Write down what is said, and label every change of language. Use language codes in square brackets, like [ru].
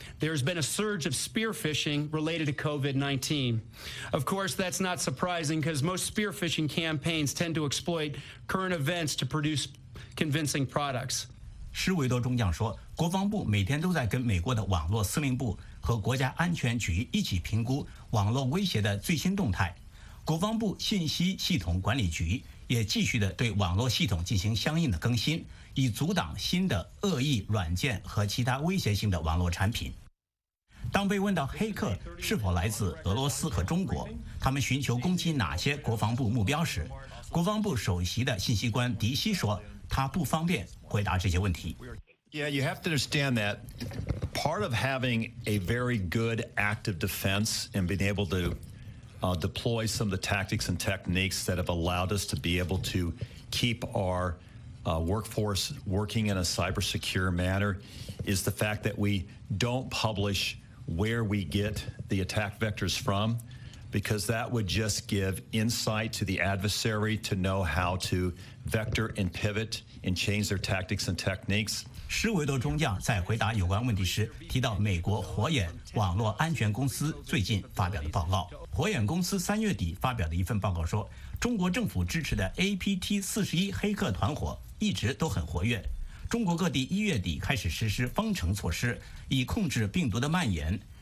[en] There's been a surge of spear phishing related to COVID-19. Of course, that's not surprising because most spear phishing campaigns tend to exploit current events to produce convincing products. [zh] 施维多中将说，国防部每天都在跟美国的网络司令部和国家安全局一起评估网络威胁的最新动态。国防部信息系统管理局也继续的对网络系统进行相应的更新，以阻挡新的恶意软件和其他威胁性的网络产品。当被问到黑客是否来自俄罗斯和中国，他们寻求攻击哪些国防部目标时，国防部首席的信息官迪西说，他不方便回答这些问题。 [en] Yeah, you have to understand that part of having a very good active defense and being able to deploy some of the tactics and techniques that have allowed us to be able to keep our workforce working in a cyber secure manner is the fact that we don't publish where we get the attack vectors from, because that would just give insight to the adversary to know how to vector and pivot and change their tactics and techniques. [zh] 施维德中将在回答有关问题时提到，美国火眼网络安全公司最近发表的报告。火眼公司三月底发表的一份报告说，中国政府支持的 APT41 黑客团伙一直都很活跃。中国各地一月底开始实施封城措施，以控制病毒的蔓延。